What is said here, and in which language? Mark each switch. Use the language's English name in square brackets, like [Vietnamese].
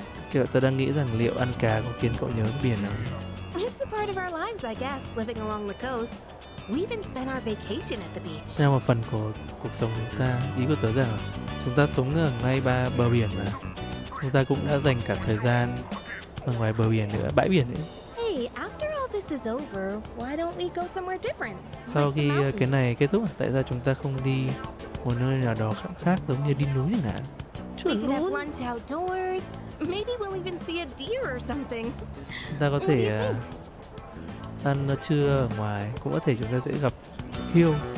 [Vietnamese] Kiểu tớ đang nghĩ rằng liệu ăn cá có khiến cậu nhớ biển không? [English] It's a part of our lives, I guess, living along the coast. We even spend our vacation at the beach. [Vietnamese] Đây là một phần của cuộc sống chúng ta. Ý của tớ rằng chúng ta sống ở ngay bờ biển mà. Chúng ta cũng đã dành cả thời gian ở ngoài bờ biển nữa, bãi biển nữa. [English] Hey, after all this is over, why don't we go somewhere different? [Vietnamese] Sau khi cái này kết thúc, tại sao chúng ta không đi một nơi nào đó khác giống như đi núi chẳng hạn? Chuẩn luôn. [English] We can have lunch outdoors. Maybe we'll even see a deer or something. [Vietnamese] Chúng ta có thể ăn trưa ở ngoài, cũng có thể chúng ta sẽ gặp hươu.